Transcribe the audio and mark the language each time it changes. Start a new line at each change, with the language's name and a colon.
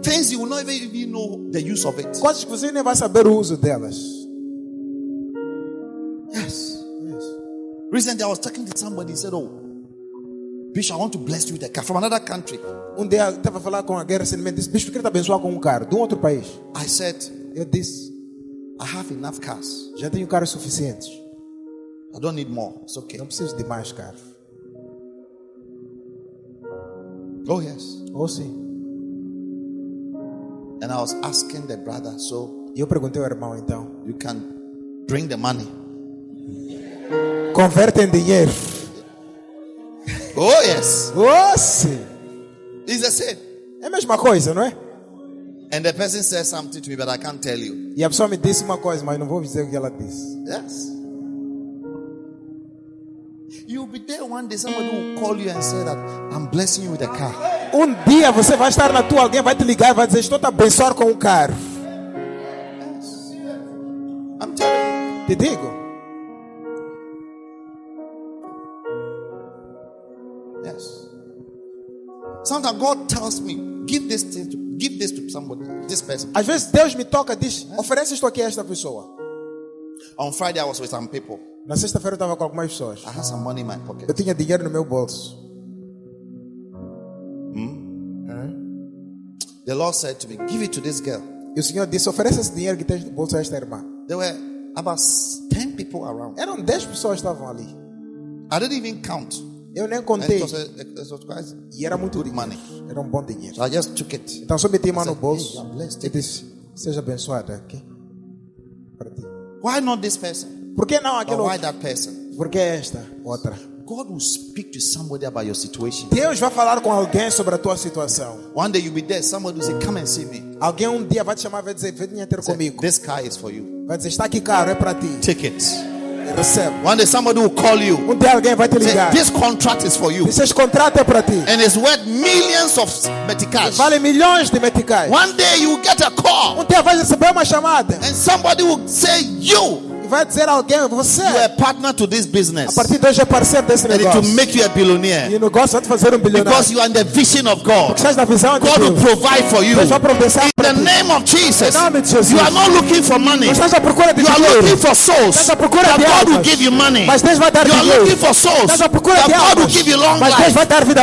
English: Things you will not even know the use of it.
Portuguese: Coisas que você nem vai saber o uso delas.
English: Yes. Yes. Recently I was talking to somebody. He said, "Oh, Bishop, I want to bless you with a car from another country."
Portuguese: Um dia eu estava a falar com a guerra recentemente. Disse, "Bishop, queria te abençoar com um carro de um outro país."
English: I said.
Portuguese: Eu disse,
English: I have enough cars.
Portuguese: Já tenho carros suficientes.
English: I don't need more. It's okay.
Portuguese: Não preciso de mais carros.
English: Oh yes.
Portuguese: Oh sim.
English: And I was asking the brother, so.
Portuguese: Eu perguntei ao irmão então.
English: You can bring the money.
Portuguese: Converte em dinheiro.
English: Oh yes.
Portuguese: Oh sim.
English: It's the same.
Portuguese: É a mesma coisa, não é?
English: And the person says something to me, but I can't tell you.
Portuguese: E a pessoa me disse uma coisa, mas não vou dizer o que ela disse.
English: Yes. You'll be there one day. Somebody will call you and say that I'm blessing you with a car.
Portuguese: Um dia você vai estar na tua, alguém vai te ligar e vai dizer estou te abençoar com um carro.
English: Yes. I'm telling you.
Portuguese: Te digo.
English: Yes. Sometimes God tells me, give this thing to. Give this to somebody, this person.
Portuguese: Às vezes Deus me toca, diz, oferece isto aqui a esta pessoa.
English: On Friday I was with some people.
Portuguese: Na sexta-feira eu estava com algumas pessoas.
English: I had some money in my pocket.
Portuguese: Eu tinha dinheiro no meu bolso.
English: The Lord said to me, give it to this girl.
Portuguese: E o Senhor disse, oferece esse dinheiro que tens no bolso a esta irmã.
English: There were about 10 people around.
Portuguese: Eram 10 pessoas estavam ali.
English: I didn't even count.
Portuguese: Eu nem contei. E era muito dinheiro. Era um bom dinheiro.
English: So I just took it.
Portuguese: Então só meti a mão no bolso.
English: Hey,
Portuguese: e disse, seja abençoada. Okay? Para ti.
English: Why not this person?
Portuguese: Por que não aquele
English: Or why outro? That person?
Portuguese: Por que esta outra?
English: God will speak to somebody about your situation.
Portuguese: Deus vai falar com alguém sobre a tua situação.
English: One day you'll be there. Somebody will say, come and see me.
Portuguese: Alguém um dia vai te chamar e vai dizer, venha ter comigo.
English: This car is for you.
Portuguese: Vai dizer, está aqui caro, é para ti.
English: Take it.
Portuguese: Recebe.
English: One day somebody will call you.
Portuguese: Um dia alguém vai te ligar.
English: Say, this contract is for you.
Portuguese: Esse contrato é para ti.
English: And it's worth millions of meticais.
Portuguese: Vale milhões de meticais.
English: One day you get a call.
Portuguese: Um dia vai receber uma chamada.
English: And somebody will say you.
Portuguese: E vai dizer alguém você.
English: You are a partner to this business.
Portuguese: A partir de hoje é parceiro desse negócio.
English: And it will make you a billionaire.
Portuguese: E o negócio vai te fazer bilionário.
English: Because you are in the vision of God.
Portuguese: Porque estás na visão de
English: God
Portuguese: Deus.
English: Will provide for you.
Portuguese: Deus vai providenciar.
English: In the name of Jesus.
Portuguese: Em nome de Jesus.
English: You are not looking for money.
Portuguese: Mas estás à procura de
English: you are
Portuguese: dinheiro.
English: Looking for souls.
Portuguese: Estás à procura de
English: God will give you money.
Portuguese: Mas Deus vai dar
English: you
Portuguese: dinheiro.
English: Are looking for souls.
Portuguese: Estás à procura de
English: God will give you long
Portuguese: Mas Deus vai dar vida